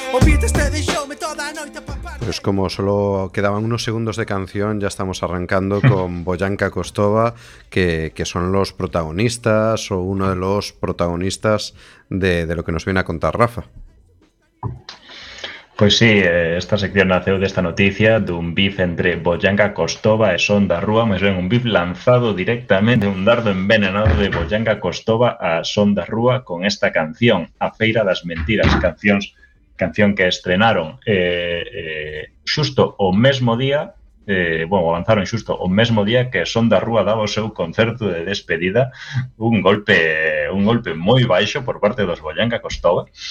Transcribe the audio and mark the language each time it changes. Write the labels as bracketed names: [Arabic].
[Galician] O beat este deixoume toda a noite pa parte. [Spanish] Pues como solo quedaban unos segundos de canción, ya estamos arrancando con Boyanka Kostova, que son los protagonistas o uno de los protagonistas de lo que nos viene a contar Rafa. [Galician] Pois sí, esta sección naceu desta noticia dun beef entre Boyanka Kostova e Son da Rúa, máis ben un beef lanzado directamente, un dardo envenenado de Boyanka Kostova a Son da Rúa con esta canción, A Feira das Mentiras, canción que estrenaron xusto o mesmo día, avanzaron xusto o mesmo día que Son da Rúa daba o seu concerto de despedida, un golpe moi baixo por parte dos Boyanka Kostova.